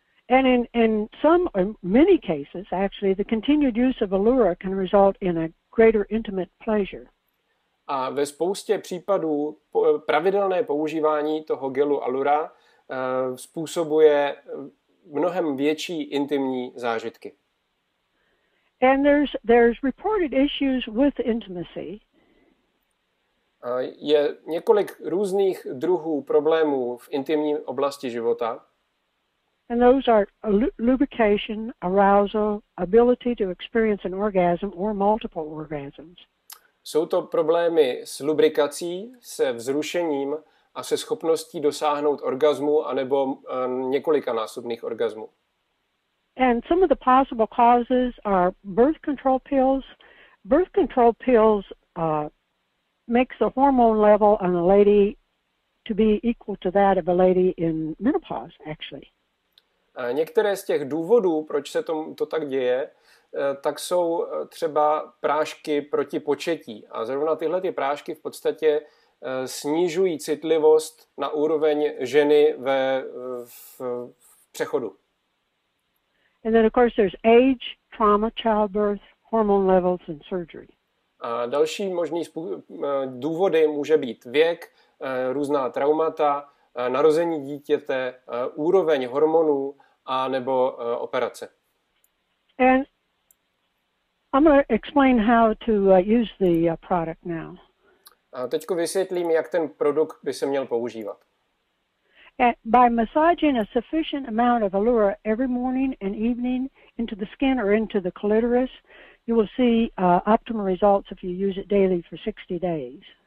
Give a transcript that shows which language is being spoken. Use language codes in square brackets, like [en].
[en] And in some or many cases, actually, the continued use of Allura can result in a greater intimate pleasure. [cs] A ve spoustě případů pravidelné používání toho gelu Allura způsobuje mnohem větší intimní zážitky. [en] And there's reported issues with intimacy. [cs] Je několik různých druhů problémů v intimní oblasti života. [en] And those are lubrication, arousal, ability to experience an orgasm or multiple orgasms. [cs] Jsou to problémy s lubrikací, se vzrušením a se schopností dosáhnout orgazmu anebo několikanásobných orgazmů. [en] And some of the possible causes are birth control pills. Birth control pills makes the hormone level on a lady to be equal to that of a lady in menopause, actually. [cs] Některé z těch důvodů, proč se to tak děje, tak jsou třeba prášky proti početí. A zrovna tyhle ty prášky v podstatě snižují citlivost na úroveň ženy v přechodu. [en] And then of course there's age, trauma, childbirth, hormone levels and surgery. [cs] A další možný důvody může být věk, různá traumata, narození dítěte, úroveň hormonů a nebo operace. [en] And I'm going to explain how to use the product now. [cs] A teďko vysvětlím, jak ten produkt by se měl používat. [en] And by massaging a sufficient amount of Allura every morning and evening into the skin or into the clitoris, you will see optimal results if you use it daily for 60 days.